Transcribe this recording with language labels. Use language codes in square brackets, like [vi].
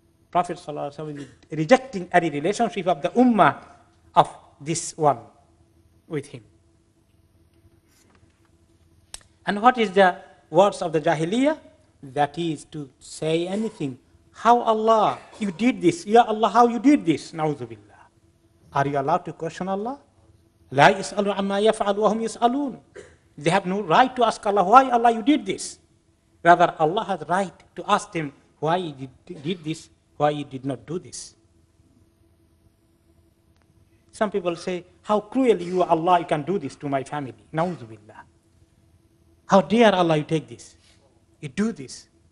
[en] Prophet sallallahu alaihi wasallam is rejecting any relationship of the ummah of this one with him. And what is the words of the jahiliyyah? That is to say anything. How Allah, you did this. Ya Allah, how you did this? Na'udzubillah. Are you allowed to question Allah? [ar] لا يسألوا عما يفعل وهم يسألون. [en] They have no right to ask Allah, why Allah you did this? Rather, Allah has right to ask them, why you did this? Why you did not do this? Some people say, how cruel you are, Allah, you can do this to my family. Na'udzubillah. How dare Allah you take this? You do this.